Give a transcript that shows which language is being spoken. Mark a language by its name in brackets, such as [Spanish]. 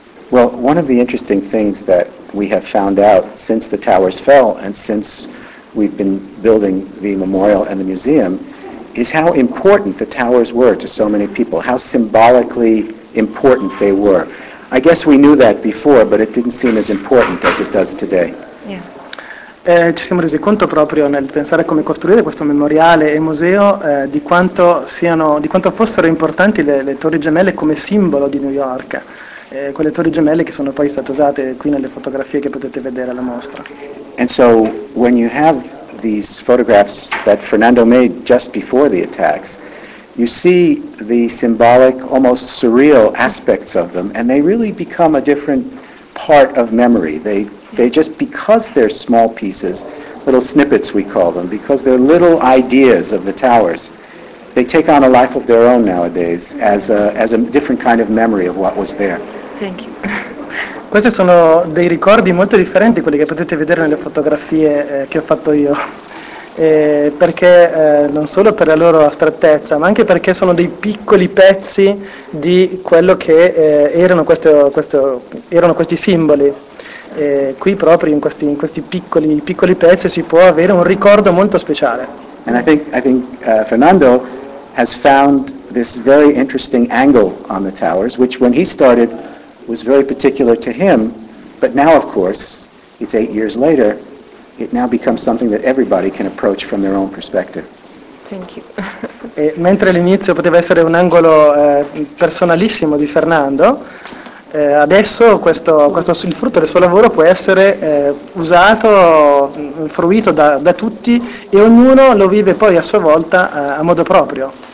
[English] Well, one of the interesting things that we have found out since the towers fell and since we've been building the memorial and the museum is how important the towers were to so many people, how symbolically important they were. I guess we knew that before, but it didn't seem as important as it does today. [Italian] Ci siamo resi conto proprio nel pensare a come costruire questo memoriale e museo di quanto fossero importanti le Torri Gemelle come simbolo di New York, quelle Torri Gemelle che sono poi state usate qui nelle fotografie che potete vedere alla mostra. [English] And so when you have these photographs that Fernando made just before the attacks, you see the symbolic, almost surreal aspects of them, and they really become a different part of memory. They just, because they're small pieces, little snippets we call them, because they're little ideas of the towers, they take on a life of their own nowadays as a different kind of memory of what was there. Thank you. [Italian] Questi sono dei ricordi molto differenti, quelli che potete vedere nelle fotografie che ho fatto io, perché non solo per la loro astrattezza, ma anche perché sono dei piccoli pezzi di quello che erano questi simboli. Qui proprio in questi piccoli pezzi si può avere un ricordo molto speciale. [English] And I think Fernando has found this very interesting angle on the towers, which when he started was very particular to him, but now of course it's 8 years later, it now becomes something that everybody can approach from their own perspective. Thank you. [Italian] E mentre all'inizio poteva essere un angolo personalissimo di Fernando, adesso questo il frutto del suo lavoro può essere usato, fruito da tutti, e ognuno lo vive poi a sua volta a modo proprio.